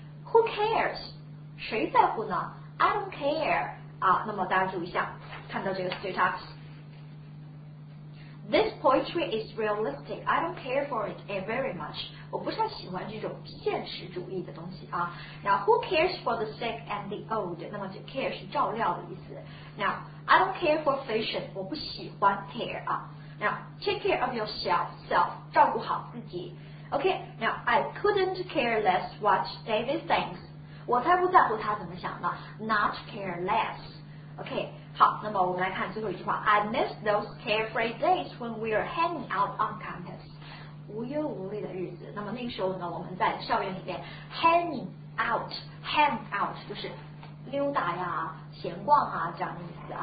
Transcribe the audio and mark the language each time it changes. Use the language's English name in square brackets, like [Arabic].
[English] Who cares？ [Chinese] 谁在乎呢 [English] ？I don't care。 [Chinese] 啊，那么大家注意一下，看到这个 straight up。 [English] This poetry is realistic. I don't care for it very much. [Chinese] 我不太喜欢这种现实主义的东西啊。 [English] Now, who cares for the sick and the old? [Chinese] 那么就 care 是照料的意思。 [English] Now, I don't care for fashion. [Chinese] 我不喜欢 [English] care 啊。Now, take care of yourself. [Chinese] 照顾好自己。 [English] Okay, now, I couldn't care less what David thinks. [Chinese] 我才不在乎他怎么想呢。 [English] Not care less. Okay. [Chinese] 好，那么我们来看最后一句话。 [English] I miss those carefree days when we are hanging out on campus， [Chinese] 无忧无虑的日子。那么那个时候呢，我们在校园里面 hang out 就是溜达呀、闲逛啊这样的意思。